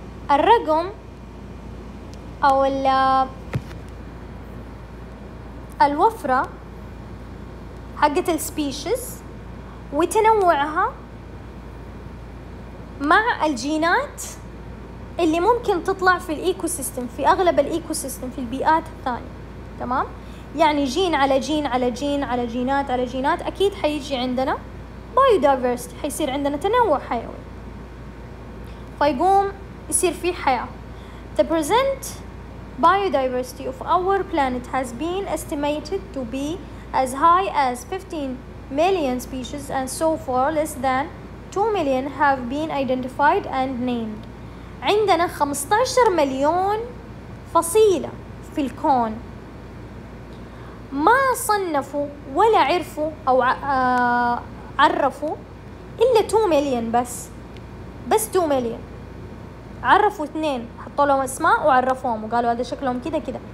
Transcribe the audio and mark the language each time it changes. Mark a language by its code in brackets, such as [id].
[ar] الرقم أو الوفرة حقة ال species وتنوعها مع الجينات اللي ممكن تطلع في الإيكو سيستم، في أغلب الإيكو سيستم، في البيئات الثانية. تمام؟ يعني جين على جين على جين على جينات على جينات، أكيد حيجي عندنا biodiversity، حيصير عندنا تنوع حيوي، فيقوم يصير في حياة. [en] The present biodiversity of our planet has been estimated to be as high as 15 million species and so far less than 2 million have been identified and named. [ar] عندنا 15 مليون فصيلة في الكون ما صنفوا ولا عرفوا أو عرفوا إلا 2 مليون، بس 2 مليون. عرفوا اثنين، حطوا لهم اسماء وعرفوهم وقالوا هذا شكلهم كذا كذا.